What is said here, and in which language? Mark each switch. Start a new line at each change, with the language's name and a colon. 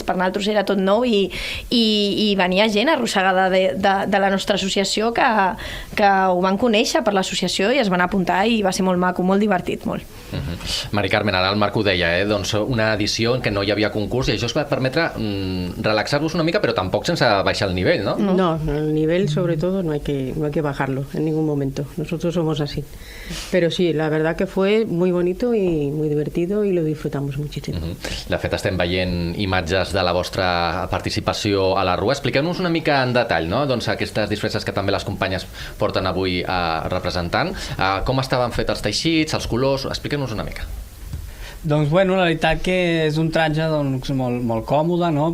Catalan: Per nosaltres era tot nou i venia gent arrossegada de la nostra associació que ho van conèixer per l'associació i es van apuntar, i va ser molt maco, molt divertit, molt. Mari Carmen, ara el Marc ho deia, doncs una edició en què no hi havia concurs, i això us va permetre relaxar-vos una mica, però tampoc sense baixar el nivell, no? No, el nivell, sobretot,
Spanish: no hay que bajarlo en ningún momento. Nosotros somos así. Pero sí, la verdad que fue muy bonito y muy divertido y lo disfrutamos muchísimo.
Catalan: De fet, estem veient imatges de la vostra participació a la rua. Expliqueu-nos una mica en detall, no? Doncs aquestes disfresses que també les companyes porten avui representant. Com estaven fets els teixits, els colors? Expliqueu-nos una mica. Doncs, bueno, la veritat que és un traje doncs, molt, molt còmode, no?